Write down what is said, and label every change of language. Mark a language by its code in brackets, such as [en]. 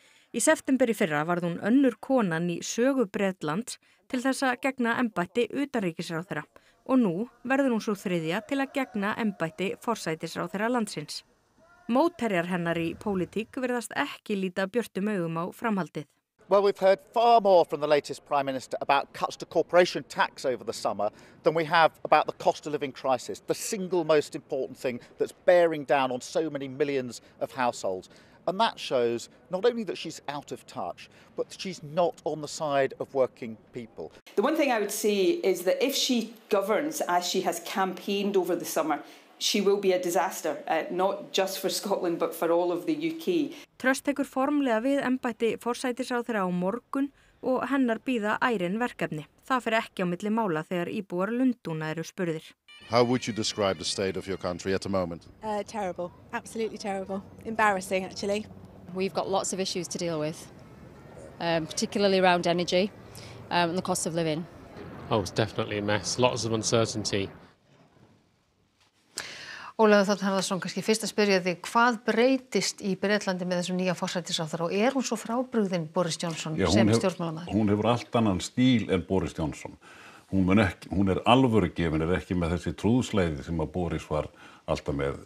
[is] Í september í fyrra varð hún önnur konan í sögu Bretlands til þess að gegna embætti utanríkisráðherra og nú verður hún svo þriðja til að gegna embætti forsætisráðherra landsins. Mótherjar hennar í pólitík virðast ekki líta björtum augum á framhaldið. [en] Well, we've heard far more from the latest Prime Minister about cuts to corporation tax over the summer than we have about the cost of living crisis, the single most important thing that's bearing down on so many millions of households. And that shows not only that she's out of touch, but she's not on the side of working people. The one thing I would say is that if she governs as she has campaigned over the summer, she will be a disaster, not just for Scotland, but for all of the UK. [is] Truss tekur formlega við embætti forsætisráðherra á morgun og hennar bíða ærin verkefni. Það fer ekki á milli mála þegar íbúar Lundúna eru spurðir. [en] How would you describe the state of your country at the moment? Terrible. Absolutely terrible. Embarrassing, actually. We've got lots of issues to deal with, particularly around energy and the cost of living. Oh, it's definitely a mess. Lots of uncertainty. [is] Ólafur Þ. Harðarson, kannski fyrst að spyrja þig, hvað breytist í Bretlandi með þessum nýja forsætisráðherra og hún svo frábrugðin Boris Johnson Já, sem stjórnmálamaður? Hún hefur allt annan stíl en Boris Johnson. Hún er alvörugefin, er ekki með þessi trúðsleiði sem að Boris var alltaf með.